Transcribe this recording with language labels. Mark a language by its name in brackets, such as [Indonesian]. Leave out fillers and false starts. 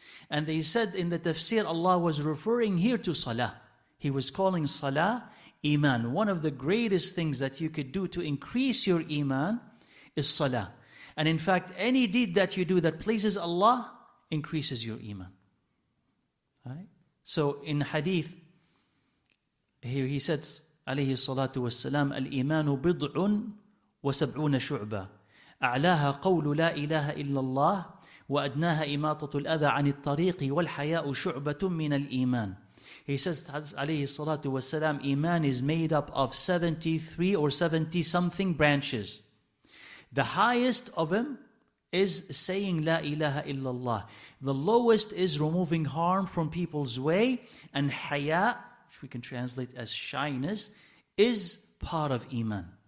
[English] And they said in the tafsir, Allah was referring here to salah. He was calling salah iman. One of the greatest things that you could do to increase your iman is salah. And in fact, any deed that you do that pleases Allah increases your iman. Right? So in hadith, here he said, [Arabic] عليه الصلاة والسلام الإيمان بضع وسبعون شعبة أعلاها قول لا إله إلا الله وأدناها إماطة الأذى عن الطريق والحياء شعبة من الإيمان. [English] He says [Arabic] عليه الصلاة والسلام إيمان [English] is made up of 73 or 70 something branches. The highest of them is saying [Arabic] لا إله إلا الله. [English] The lowest is removing harm from people's way and حياء, which we can translate as shyness, is part of iman.